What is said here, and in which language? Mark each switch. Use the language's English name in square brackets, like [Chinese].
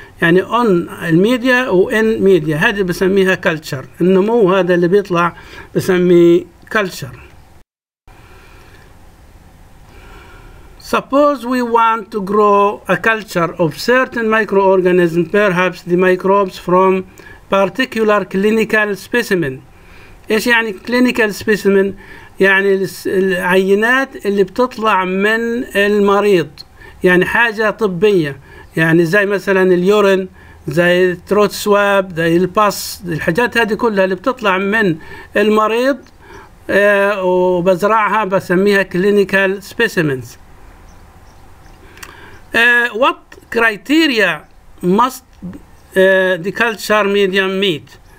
[Arabic] يعني on الميديا و in ميديا هذه بسميها culture. النمو هذا اللي بيطلع بسميه culture. [English] Suppose we want to grow a culture of certain microorganisms, perhaps the microbes from particular clinical specimen. [Arabic] إيش يعني clinical specimen؟ يعني العينات اللي بتطلع من المريض يعني حاجة طبية. يعني زي مثلا اليورين زي التروت سواب زي الباس الحاجات هذه كلها اللي بتطلع من المريض وبزرعها بسميها clinical specimens. What [English] criteria must the culture medium meet.